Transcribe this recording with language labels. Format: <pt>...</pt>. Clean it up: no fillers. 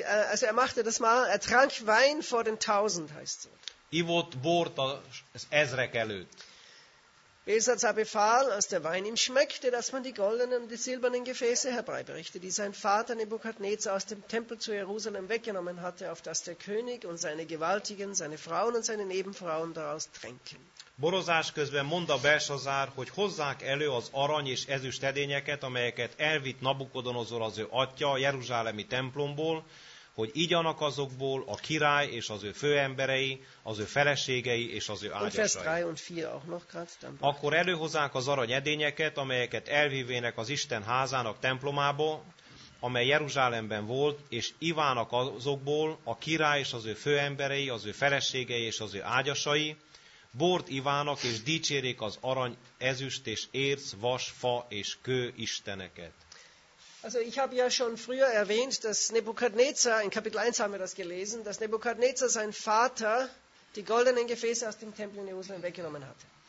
<de>Also er machte das mal, er trank Wein vor den Tausend, heißt so.</de> <hu>Ivott bort az ezrek előtt.</hu> <de>Belsazar befahl, als der Wein ihm schmeckte, dass man die goldenen und die silbernen Gefäße herbeibrichte, die sein Vater Nebukadnezar aus dem Tempel zu Jerusalem weggenommen hatte, auf das der König und seine Gewaltigen, seine Frauen und seine Nebenfrauen daraus tränken.</de> <hu>Borozás közben mondta Belsazár, hogy hozzák elő az arany és ezüst edényeket, amelyeket elvitt Nabukodonozor az ő atya a jeruzsálemi templomból, hogy igyanak azokból a király és az ő főemberei, az ő feleségei és az ő ágyasai. Akkor előhozzák az arany edényeket, amelyeket elvívének az Isten házának templomából, amely Jeruzsálemben volt, és ivának azokból a király és az ő főemberei, az ő feleségei és az ő ágyasai, bort ivának és dicsérik az arany, ezüst és érc, vas, fa és kő isteneket.</hu> <de>Also ich habe ja schon früher erwähnt, dass Nebukadnezar, in Kapitel 1 haben wir das gelesen, dass Nebukadnezar sein Vater die goldenen Gefäße aus dem Tempel in Jerusalem weggenommen hatte.</de>